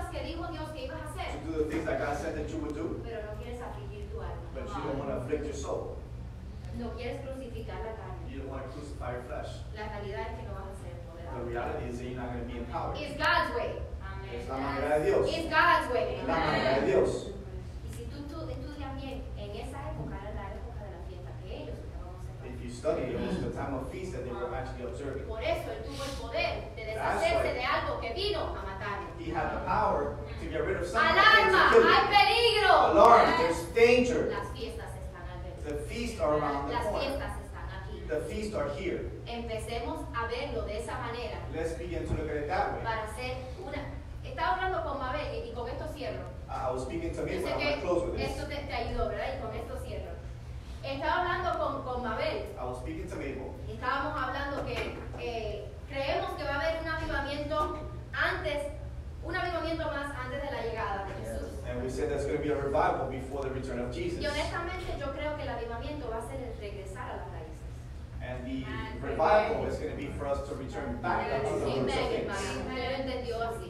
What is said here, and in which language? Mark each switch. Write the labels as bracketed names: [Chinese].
[English] To do the things that God said that you would do? But you don't want to afflict your soul. You don't want to crucify your flesh. The reality is that you're not going to be empowered. It's God's way. [Spanish] Es [English] God's way. [Spanish] La manera de Dios. Y si tú estudias bien, en esa época era la época de la fiesta que ellos estaban observando. [English] If you study, it was the time of feast that they were actually observing. [Spanish] Por eso él tuvo el poder de deshacerse de algo que vino a matar. [English] He had the power to get rid of something. [Spanish] Alarma, hay peligro. [English] Alarm, there's danger. [Spanish] Las fiestas están al ver. [English] The feasts are around the corner. [Spanish] Las fiestas están aquí. [English] The feasts are here. [Spanish] Empecemos a verlo de esa manera. [English] Let's begin to look at it that way. [Spanish] Para hacer una. Estaba hablando con Mabel y con esto cierro. [English] I was speaking to me, but I'm going to close with this. [Spanish] Esto te ayudó, ¿verdad? Y con esto cierro. Estaba hablando con Mabel. [English] I was speaking to Mabel. [Spanish] Estábamos hablando que creemos que va a haber un avivamiento antes, un avivamiento más antes de la llegada de Jesús. [English] And we said there's going to be a revival before the return of Jesus. [Spanish] Y honestamente yo creo que el avivamiento va a ser el regresar a las raíces. [English] And the revival is going to be for us to return back to the roots of things.